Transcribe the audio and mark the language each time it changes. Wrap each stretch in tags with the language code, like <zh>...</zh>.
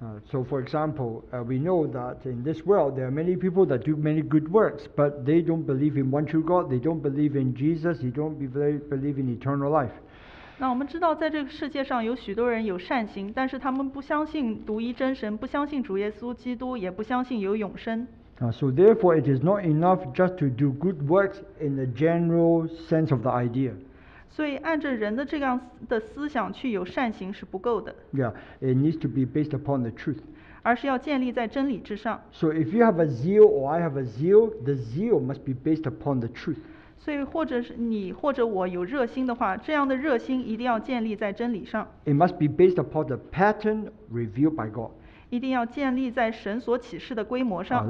<en>So for example, we know that in this world there are many people that do many good works, but they don't believe in one true God. They don't believe in Jesus. They don't believe in eternal life.</en> <zh>那我们知道在这个世界上有许多人有善行，但是他们不相信独一真神，不相信主耶稣基督，也不相信有永生。</zh> <en>So therefore it is not enough just to do good works in the general sense of the idea.</en> <zh>所以按着人的这样的思想去有善行是不够的。</zh> <en>Yeah, it needs to be based upon the truth.</en> <zh>而是要建立在真理之上。</zh> <en>So if you have a zeal or I have a zeal, the zeal must be based upon the truth.</en> <zh>所以或者是你或者我有热心的话，这样的热心一定要建立在真理上。</zh> <en>It must be based upon the pattern revealed by God.</en> <zh>一定要建立在神所启示的规模上。</zh>